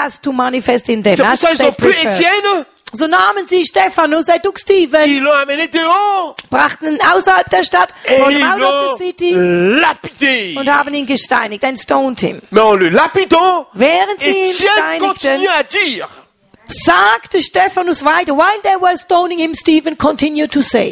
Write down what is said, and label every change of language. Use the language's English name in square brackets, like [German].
[French] la mort maintenant doit se manifester en eux. [German] So nahmen sie Stephanus, er [English] took Stephen, [French] ils l'ont amené dehors, [German] brachten ihn außerhalb der Stadt, [French] ils l'ont lapidé, [German] und haben ihn gesteinigt, [English] and stoned him. [French] Mais en le lapidant, [German] während sie ihn steinigten, [French] continue à dire, [German] sagte Stephanus weiter, [English] while they were stoning him, Stephen continued to say.